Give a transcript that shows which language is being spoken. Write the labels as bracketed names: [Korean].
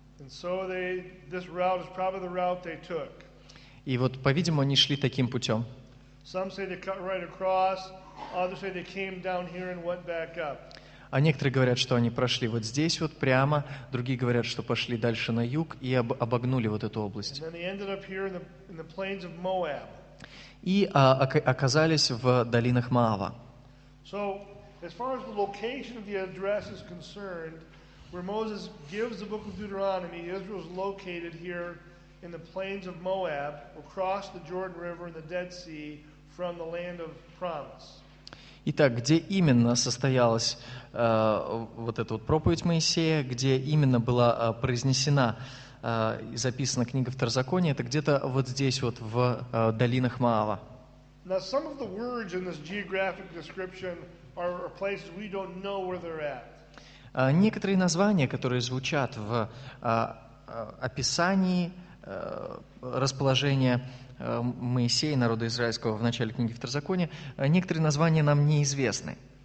[English] And so this route is probably the route they took. [Russian] И вот, по-видимому, они шли таким путем. [English] Some say they cut right across. Others say they came down here and went back up. [Russian] А некоторые говорят, что они прошли вот здесь вот прямо, другие говорят, что пошли дальше на юг и обогнули вот эту область. [English] And then they ended up here in the plains of Moab. [Russian] И оказались в долинах Моава. [English] So, as far as the location of the address is concerned, where Moses gives the book of Deuteronomy, Israel is located here in the plains of Moab, across the Jordan River and the Dead Sea, from the land of promise. [Russian] Итак, где именно состоялась вот эта вот проповедь Моисея, где именно была произнесена и записана книга Второзакония, это где-то вот здесь вот в долинах Моава. [English] Now some of the words in this geographic description are places we don't know where they're at. [Russian] Некоторые названия, которые звучат в описании расположения Моисея, народа израильского, в начале книги Второзакония, некоторые названия нам неизвестны.